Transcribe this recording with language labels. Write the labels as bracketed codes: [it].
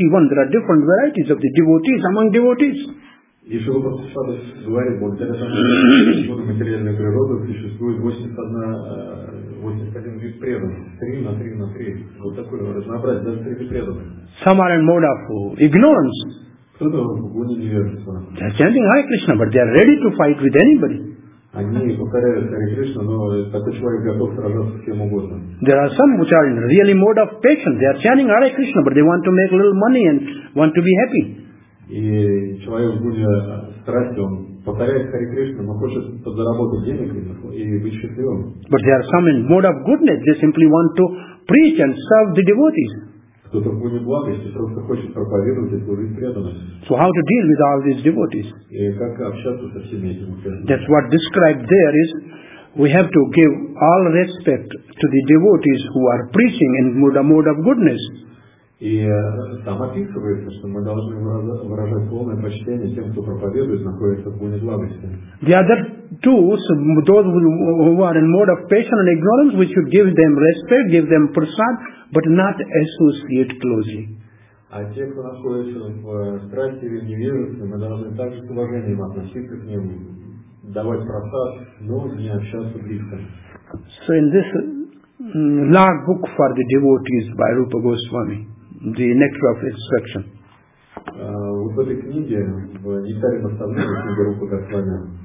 [en] There are different varieties of the devotees among devotees. [ru] И Шрила Прабхупада говорит, благодаря тому, что материальной природы существует 81 вид преданных. [en] 3 × 3 × 3. [ru] Вот такое разнообразие даже среди преданных. [en] Some are in mode of ignorance. [ru] Кто-то в угоне неверства. [en] They are chanting Hare Krishna, but they are ready to fight with anybody. [ru] Они повторяют Hare Krishna, но такой человек готов сражаться с кем угодно. [en] There are some which are in really mode of patience. They are chanting Hare Krishna, but they want to make a little money and want to be happy. [ru] И человек будет страстью, он повторяет Hare Krishna, но хочет подзаработать денег и быть счастливым. [en] But there are some in mode of goodness, they simply want to preach and serve the devotees. [ru] Кто-то в мире благости просто хочет проповедовать и служить преданность. [en] So how to deal with all these devotees? [ru] И как общаться со всеми этими преданными? [en] That's what described there is we have to give all respect to the devotees who are preaching in the mode of goodness. [ru] И там описывается, что мы должны выражать полное почтение тем, кто проповедует, находится в гуне благости. [en] The other two, so those who are in mode of passion and ignorance, we should give them respect, give them prasad, but not associate closely. [ru] А те, кто находится в страсти или невежестве, мы должны также с уважением относиться к ним, давать прасад, но не общаться близко. [en] So in this large book for the devotees by Rupa Goswami, the Nectar of Instruction. [ru] В этой книге, в Нектаре Наставления, книга Рупа Госвами.